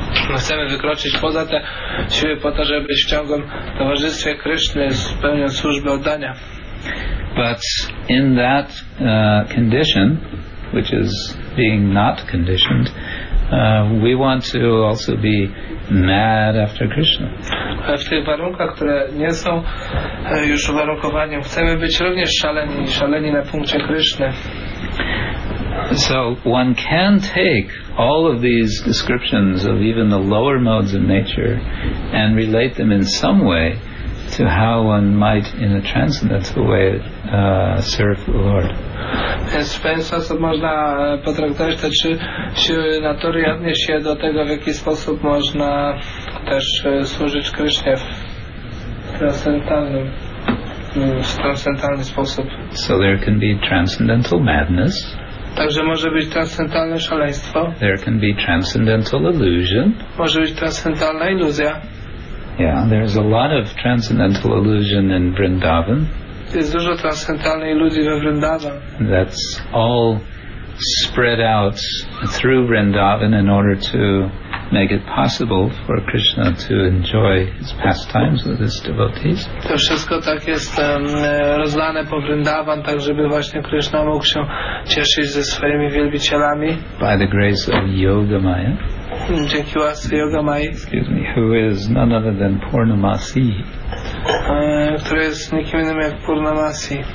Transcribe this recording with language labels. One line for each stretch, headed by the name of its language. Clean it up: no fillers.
Polish: My chcemy wykroczyć poza te siły po to, żeby w ciągłym towarzystwie Kryszny spełniać służbę oddania.
English: But in that condition, which is being not conditioned, we want to also be mad after Krishna.
Polish: W tych warunkach, które nie są już uwarunkowaniem, chcemy być również szaleni na punkcie Kryszny.
English: So one can take all of these descriptions of even the lower modes of nature and relate them in some way to how one might, in a transcendental way, serve the Lord.
Polish: Więc w pewien sposób można potraktować te trzy siły natury i odnieść się do tego, w jaki sposób można też służyć Krysznie w transcendentalny sposób.
English: So there can be transcendental madness.
Polish: Także może być transcendentalne szaleństwo.
English: There can be transcendental illusion.
Polish: Może być transcendentalna iluzja.
English: Yeah, there's a lot of transcendental illusion in Vrindavan.
Polish: Jest dużo transcendentalnej iluzji we Vrindavan.
English: That's all spread out through Vrindavan in order to make it possible for Krishna to enjoy his pastimes with his devotees.
Polish: To wszystko tak jest rozlane po Vrindavan, tak żeby właśnie Krishna mógł się cieszyć ze swoimi wielbicielami.
English: By the grace of Yogamaya.
Polish: Dzięki łasce Yogamayi.
English: Excuse me, who is none other than Purnamasi.
Polish: Który jest nikim innym jak Purnamasi.